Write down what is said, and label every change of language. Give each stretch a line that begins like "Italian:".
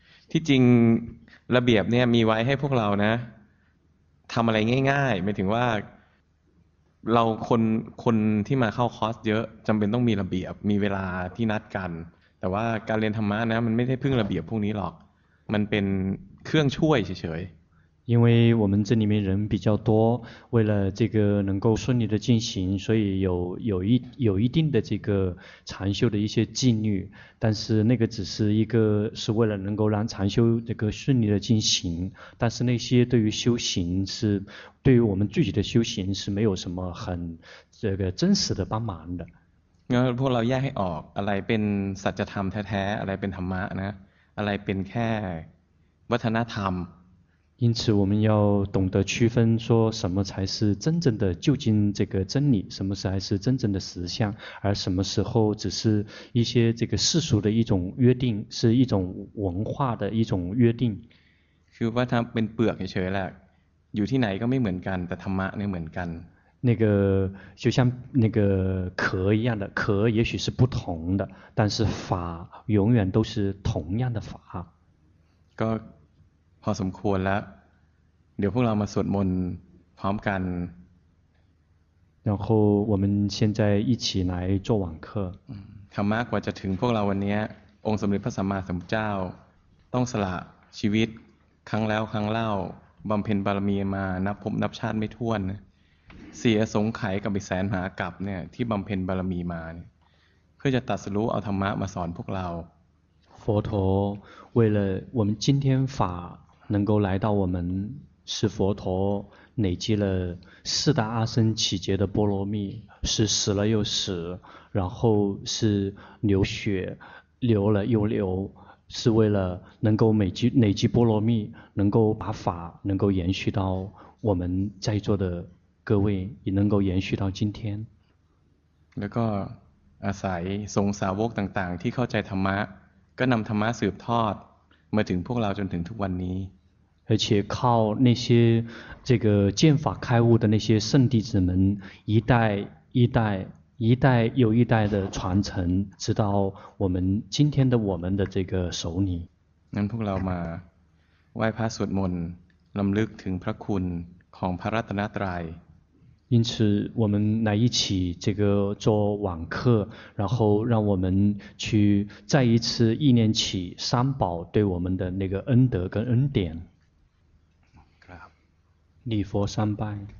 Thai: ที่จริงระเบียบเนี่ยมีไว้ให้พวกเรานะทำอะไรง่ายๆไม่ถึงว่าเราคนที่มาเข้าคอร์สเยอะจำเป็นต้องมีระเบียบมีเวลาที่นัดกันแต่ว่าการเรียนธรรมะนะมันไม่ได้พึ่งระเบียบพวกนี้หรอกมันเป็นเครื่องช่วยเฉย
Chinese: 因为我们这里面人比较多，为了这个能够顺利的进行，所以有一定的这个禅修的一些纪律，但是那个只是一个是为了能够让禅修这个顺利的进行，但是那些对于修行是对于我们具体的修行是没有什么很这个真实的帮忙的。
Thai: 那พวกเราแยกให้ออกอะไรเป็นสัจธรรมแท้ๆอะไรเป็นธรรมะนะอะไรเป็นแค่วัฒนธรรม
Chinese: 因此我们要懂得区分说什么才是真正的究竟这个真理，什么才是真正的实相，而什么时候只是一些这个世俗的一种约定，是一种文化的一种约定。
Thai: คือว่าทำเป็นเปลือกเฉยๆแหละอยู่ที่ไหนก็ไม่เหมือนกันแต่ธรรมะเนี่ยเหมือนกัน
Chinese: 那个就像那个壳一样的壳也许是不同的但是法永远都是同样的法
Thai: ก็พอสมควรแล้วเดี๋ยวพวกเรามาสวดมนต์พร้อมกัน
Chinese: 然后我们现在一起来做网课
Thai: ธรรมะกว่าจะถึงพวกเราวันนี้องค์สมเด็จพระสัมมาสัมพุทธเจ้าต้องสละชีวิตครั้งแล้วครั้งเล่าบำเพ็ญบารมีมานับภพนับชาติไม่ถ้วนเสียสงไขกับอีกแสนมหากัปเนี่ยที่บำเพ็ญบารมีมาเพื่อจะตรัสรู้เอาธรรมะมาสอนพวกเรา
Chinese: 佛陀为了我们今天法能够来到我们是佛陀累积了四大阿僧祇劫的波罗蜜是死了又死然后是流血流了又流是为了能够累积波罗蜜能够把法能够延续到我们在座的各位也能够延续到今天
Thai: แล้วก็อาศัยสงสาวกต่างๆที่เข้าใจธรรมะก็นำธรรมะสืบทอดมาถึงพวกเราจนถึงทุกวันนี้
Chinese: 而且靠那些这个见法开悟的那些圣弟子们一代一代一代又一代的传承直到我们今天的我们的这个手里
Thai: นั้นพวกเรามาไหว้พระสวดมนต์รำลึกถึงพระคุณของพระรัตนตรัย
Chinese: 因此我们来一起这个做网课然后让我们去再一次意念起三宝对我们的那个恩德跟恩典礼佛三拜。